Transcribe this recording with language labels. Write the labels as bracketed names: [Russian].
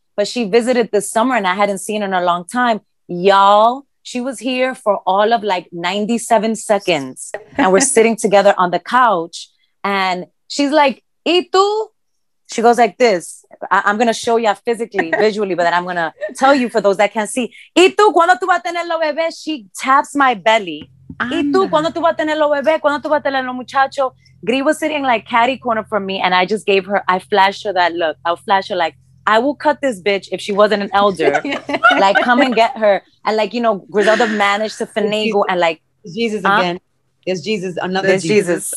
[English] But she visited this summer, and I hadn't seen her in a long time. Y'all, she was here for all of like 97 seconds, and we're sitting together on the couch, and she's like, [Spanish] ¿y tú? [English] She goes like this. I'm going to show you physically, visually, but then I'm going to tell you for those that can't see. [Spanish] ¿Y tú cuándo tú vas a tener lo bebé? [English] She taps my belly. [Spanish] ¿Y tú cuándo tú vas a tener lo bebé? ¿Cuándo tú vas a tener lo muchacho? [English] Gri was sitting like catty corner from me, and I just gave her, I flashed her that look. I'll flash her like, I will cut this bitch if she wasn't an elder. Like, come and get her. And, like, you know, Griselda managed to finagle and, like, Jesus again. There's Jesus. Another Jesus. Jesus.